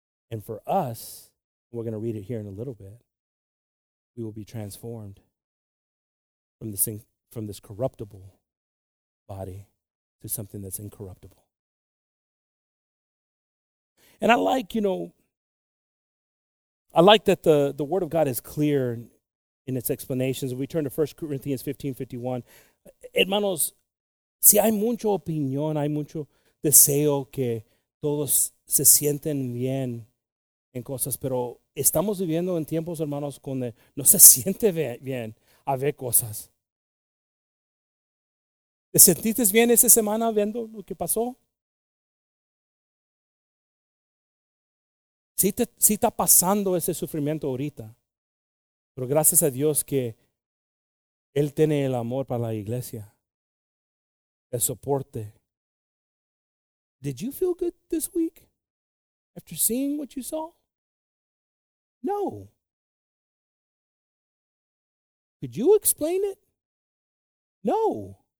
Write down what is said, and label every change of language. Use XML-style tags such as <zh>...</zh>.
<en>And for us, we're going to read it here in a little bit, we will be transformed from this corruptible body to something that's incorruptible. And I like, you know, I like that the Word of God is clear in its explanations. If we turn to 1 Corinthians 15:51.</en> <es>Hermanos, si hay mucha opinión, hay mucho deseo que todos se sienten bien en cosas, pero estamos viviendo en tiempos, hermanos, donde no se siente bien a ver cosas. ¿Te sentiste bien esa semana viendo lo que pasó? Sí está pasando ese sufrimiento ahorita, pero gracias a Dios que Él tiene el amor para la iglesia. El soporte.</es> <en>Did you feel good this week after seeing what you saw? No. Could you explain it? No.</en>